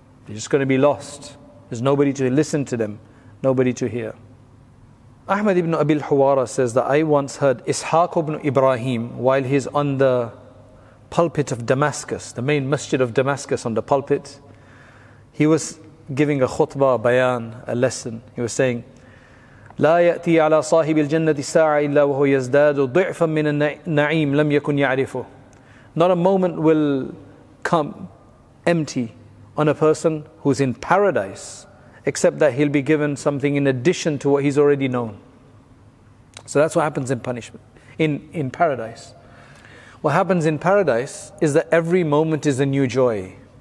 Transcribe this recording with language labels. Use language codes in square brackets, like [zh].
[en] They're just going to be lost. There's nobody to listen to them, nobody to hear. Ahmad ibn Abil Huwara says that I once heard Ishaq ibn Ibrahim while he's on the pulpit of Damascus, the main masjid of Damascus on the pulpit. He was giving a khutbah, a bayan, a lesson. He was saying, [ar] لا يأتي على صاحب الجنة ساعة إلا وهو يزداد ضعفا من النعيم لم يكن يعرفه. [en] Not a moment will come empty on a person who's in paradise, except that he'll be given something in addition to what he's already known. So that's what happens in punishment, in paradise. What happens in paradise is that every moment is a new joy.